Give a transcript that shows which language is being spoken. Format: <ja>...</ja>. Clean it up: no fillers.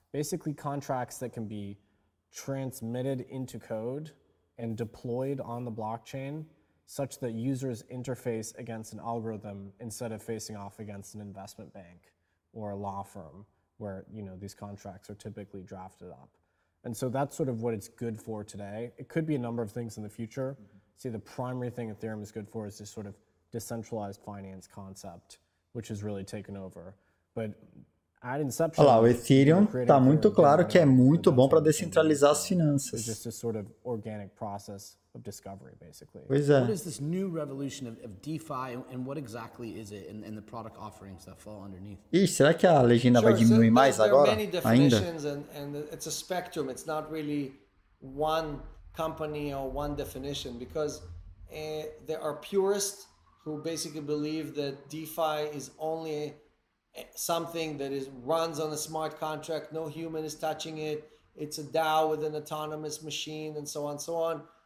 <en>Basically, contracts that can be transmitted into code and deployed on the blockchain such that users interface against an algorithm instead of facing off against an investment bank or a law firm where, you know, these contracts are typically drafted up. And so that's sort of what it's good for today. It could be a number of things in the future. Mm-hmm. See, the primary thing Ethereum is good for is this sort of decentralized finance concept, which has really taken over. But at inception,</en> <pt>olha lá, o Ethereum está muito claro que é muito bom para descentralizar as finanças.</pt> <en>Just a sort of organic process of discovery, basically.</en> <pt>Pois é.</pt> <en>What is this new revolution of DeFi and what exactly is it and the product offerings that fall underneath?</en> <pt>Ih, será que a legenda vai diminuir</pt> <en>there,</en> <pt>mais agora?</pt> <en>There are many definitions and it's a spectrum. It's not really one company or one definition because there are purists who basically believe that DeFi is only something that is runs on a smart contract, no human is touching it, it's a DAO with an autonomous machine and so on and so on.</en>